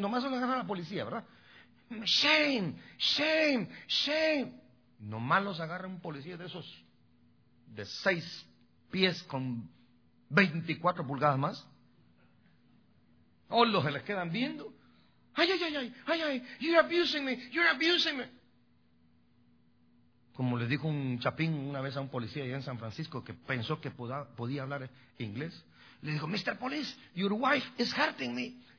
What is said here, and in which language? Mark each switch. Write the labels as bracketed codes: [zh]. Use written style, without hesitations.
[es] Nomás los agarra la policía, ¿verdad? [en] Shame, shame, shame. [es] Nomás los agarra un policía de esos, de 6 pies con 24 pulgadas más. Todos los que les quedan viendo. [en] Ay, ay, ay, ay, ay, ay, you're abusing me. [es] Como le dijo un chapín una vez a un policía allá en San Francisco que pensó que podía hablar inglés, le dijo, Mr. [en] Police, your wife is hurting me.